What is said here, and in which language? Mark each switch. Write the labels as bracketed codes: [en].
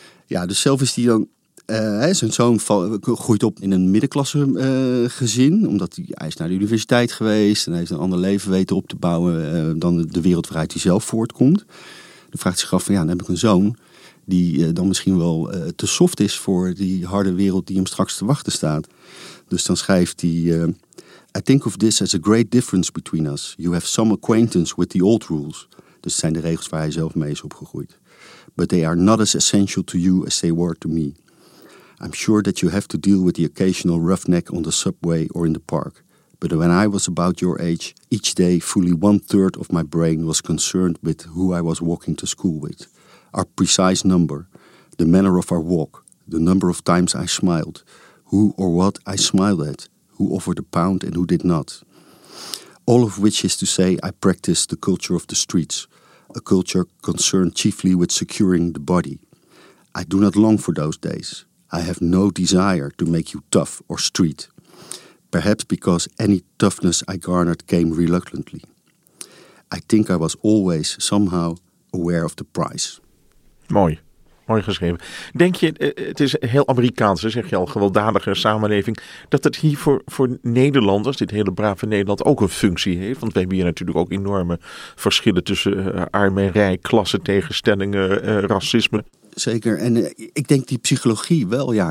[nl] Ja, dus zelf is hij dan, zijn zoon groeit op in een middenklasse gezin. Omdat hij is naar de universiteit geweest en heeft een ander leven weten op te bouwen dan de wereld waaruit hij zelf voortkomt. Dan vraagt hij zich af van ja, dan heb ik een zoon die dan misschien wel te soft is voor die harde wereld die hem straks te wachten staat. Dus dan schrijft hij, [en] I think of this as a great difference between us. You have some acquaintance with the old rules. [nl] Dus zijn de regels waar hij zelf mee is opgegroeid. [en] But they are not as essential to you as they were to me. I'm sure that you have to deal with the occasional roughneck on the subway or in the park. But when I was about your age, each day fully one-third of my brain was concerned with who I was walking to school with. Our precise number, the manner of our walk, the number of times I smiled, who or what I smiled at, who offered a pound and who did not. All of which is to say I practiced the culture of the streets, a culture concerned chiefly with securing the body. I do not long for those days. I have no desire to make you tough or street, perhaps because any toughness I garnered came reluctantly. I think I was always somehow aware of the price. [nl] Mooi. Mooi geschreven. Denk je, het is heel Amerikaans, zeg je al, gewelddadige samenleving, dat het hier voor Nederlanders, dit hele brave Nederland, ook een functie heeft? Want we hebben hier natuurlijk ook enorme verschillen tussen arm en rijk, klassentegenstellingen, racisme. Zeker. En ik denk die psychologie wel, ja.